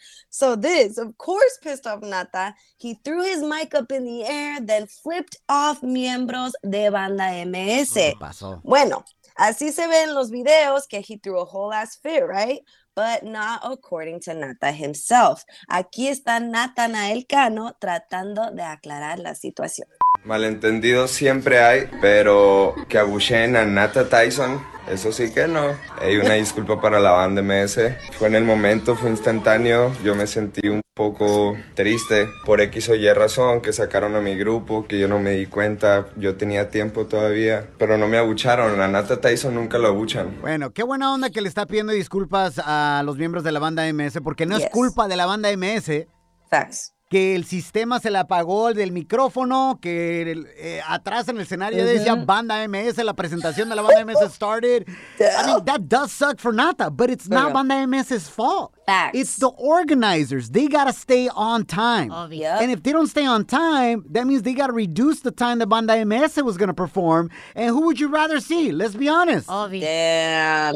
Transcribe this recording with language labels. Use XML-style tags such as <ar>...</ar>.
<en>So this, of course, pissed off Nata. He threw his mic up in the air, then flipped off</en> <es>miembros de</es> <en>Banda MS.</en> <es>Bueno, así se ve en los videos que</es> <en>he threw a whole ass fit, right? But not according to Nata himself.</en> <es>Aquí está Natanael Cano tratando de aclarar la situación. Malentendido siempre hay, pero que abucheen a Nata Tyson, eso sí que no. Hey, una disculpa para la banda MS. Fue en el momento, fue instantáneo. Yo me sentí un poco triste por X o Y razón, que sacaron a mi grupo, que yo no me di cuenta. Yo tenía tiempo todavía, pero no me abucharon. A Nata Tyson nunca lo abuchan. Bueno, qué buena onda que le está pidiendo disculpas a los miembros de la banda MS, porque no es culpa de la banda MS.</es> <en>Facts.</en> <es>Que el sistema se le apagó el del micrófono, que atrás en el escenario decía Banda MS, la presentación de la Banda MS started.</es> <en>Damn. I mean, that does suck for Nata, but it's not Banda MS's fault. Facts. It's the organizers. They gotta stay on time. Obvious. And if they don't stay on time, that means they gotta reduce the time that Banda MS was gonna perform. And who would you rather see? Let's be honest. Obvious. Damn.</en>